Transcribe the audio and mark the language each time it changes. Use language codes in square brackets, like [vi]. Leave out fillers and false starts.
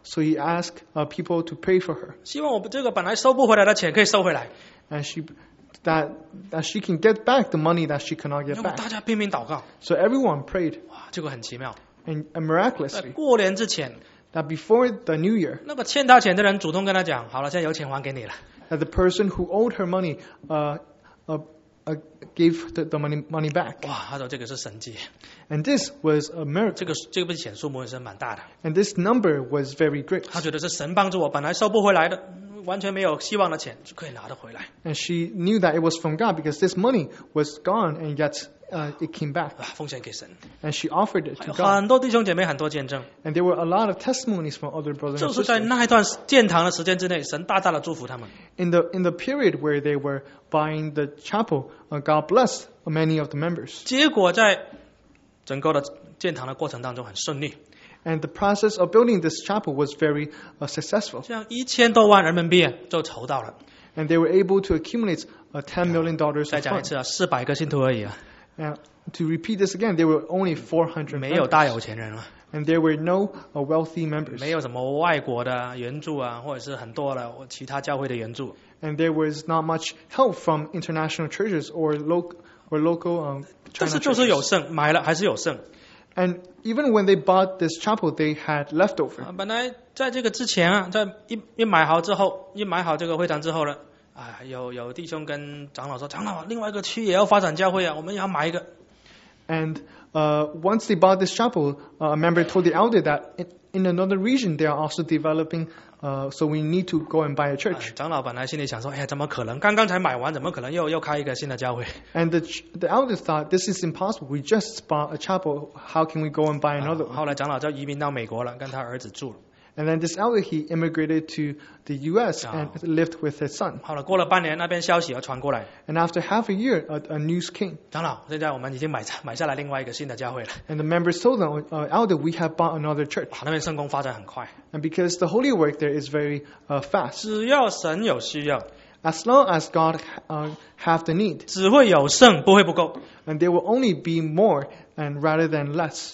[en] So he asked people to pray for her. [zh] 希望我这个本来收不回来的钱可以收回来。 [en] And she can get back the money that she could not get back. [zh] 大家拼命祷告。 [en] So everyone prayed. [zh] 这个很奇妙。 [en] And miraculously, [zh] 过年之前 [en] that before the New Year, [zh] 那个欠他钱的人主动跟他讲，好了，现在有钱还给你了。 [en] That the person who owed her money, gave the money back. [zh] 哇，他说这个是神迹。 [en] And this was a miracle. [zh] 这个笔钱数目是蛮大的。 [en] And this number was very great. [zh] 他觉得是神帮助我，本来收不回来的。完全没有希望的钱就可以拿得回来。 [en] And she knew that it was from God because this money was gone and yet it came back. [zh] 奉献给神。 [en] And she offered it to God. [zh] 很多弟兄姐妹很多见证。 [en] And there were a lot of testimonies from other brothers and sisters. [zh] 就是在那一段建堂的时间之内，神大大的祝福他们。 [en] In the period where they were buying the chapel, God blessed many of the members. [zh] 结果在整个的建堂的过程当中很顺利。 [en] And the process of building this chapel was very successful. [zh] 像一千多万人民币就筹到了。 [en] And they were able to accumulate $10 million. [zh] 再讲一次啊，四百个信徒而已啊。 [en] And to repeat this again, there were only 400. [zh] 没有大有钱人了。 [en] And there were no wealthy members. [zh] 没有什么外国的援助啊，或者是很多的其他教会的援助。 [en] And there was not much help from international churches or local churches. [zh] 但是就是有剩，买了还是有剩。 [en] And even when they bought this chapel, they had leftover. [zh] 本来在这个之前啊，在一买好之后，一买好这个会堂之后呢，啊，有弟兄跟长老说，长老，另外一个区也要发展教会啊，我们要买一个。 [en] And once they bought this chapel, a member told the elder that in another region they are also developing, so we need to go and buy a church. [zh] 长老本来心里想说，哎呀，怎么可能？刚刚才买完，怎么可能又开一个新的教会 [en] ？And the elder thought this is impossible. We just bought a chapel. How can we go and buy another? [zh] 后来长老就移民到美国了，跟他儿子住了。 [en] And then this elder he immigrated to the U.S. and lived with his son. [zh] 好了，过了半年，那边消息又传过来。 [en] And after half a year, a news came. [zh] 长老，现在我们已经买下来另外一个新的教会了。 [en] And the members told them, "Elder, we have bought another church." [zh] 那边圣工发展很快。 [en] And because the holy work there is very fast. [zh] 只要神有需要。 [en] As long as God have the need. [zh] 只会有剩，不会不够。 [en] And there will only be more and rather than less.